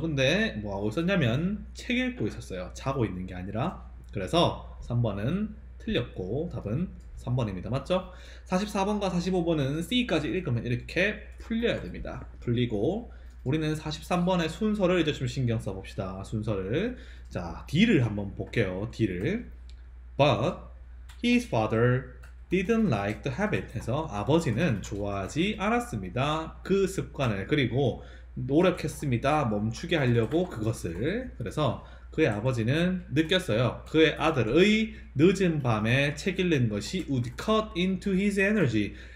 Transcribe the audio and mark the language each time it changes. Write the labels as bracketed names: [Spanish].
[Korean] 근데 뭐 하고 있었냐면 책 읽고 있었어요. 자고 있는 게 아니라. 그래서 3번은 틀렸고 답은 3번입니다. 맞죠? 44번과 45번은 C까지 읽으면 이렇게 풀려야 됩니다. 풀리고 우리는 43번의 순서를 이제 좀 신경 써봅시다. 순서를. 자, D를 한번 볼게요. D를. [English] But his father didn't like the habit. [Korean] 해서 아버지는 좋아하지 않았습니다. 그 습관을. 그리고 노력했습니다. 멈추게 하려고 그것을. 그래서 그의 아버지는 느꼈어요. 그의 아들의 늦은 밤에 책 읽는 것이 would cut into his energy.